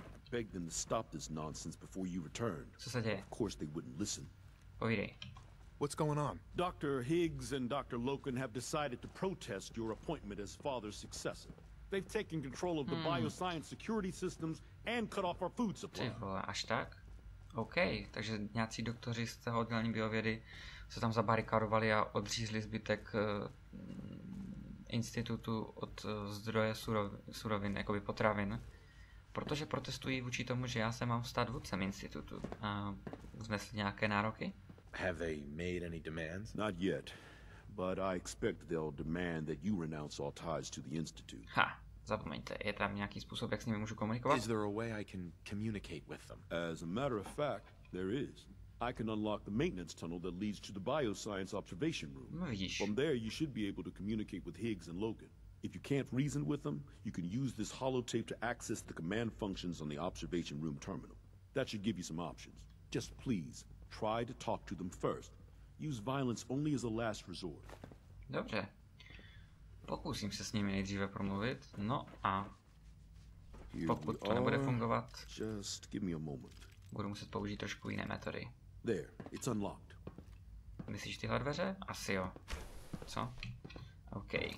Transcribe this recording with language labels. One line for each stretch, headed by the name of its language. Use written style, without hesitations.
English: Beg them to stop this nonsense before you return.
Czech: Co se děje?
English: Of course they wouldn't listen.
Czech: Povídej.
English: What's going on? Dr. Higgs and Dr. Loken have decided to protest your appointment as father's successor. They've taken control of the bioscience security systems and cut off our food supply.
Czech: Ty vole, až tak? Okay, takže nějací doktoři z toho oddělení biovědy se tam zabarikadovali a odřízli zbytek institutu od zdroje surovin, jakoby potravin. Protože protestují vůči tomu, že já se mám stát vůdcem institutu. A vznesli nějaké nároky?
English: Have they made any demands? Not yet. But I expect they'll demand that you renounce all ties to the institute.
Czech: Ha, zapomeňte, je tam nějaký způsob, jak s nimi můžu komunikovat?
English: Is there a way I can communicate with them? As a matter of fact, there is. I can unlock the maintenance tunnel that leads to the bioscience observation room.
Czech: No, vidíš.
English: From there you should be able to communicate with Higgs and Logan. If you can't reason with them, you can use this holotape to access the command functions on the observation room terminal. That should give you some options. Just please, try to talk to them first. Use violence only as a last resort.
Czech: Dobře. Pokusím se s nimi nejdříve promluvit. No a pokud to nebude fungovat,
English: just give me a moment.
Czech: Budu muset použít trošku jiné metody.
English: There, it's unlocked.
Czech: Myslíš tyhle dveře? Asi jo. Co? OK.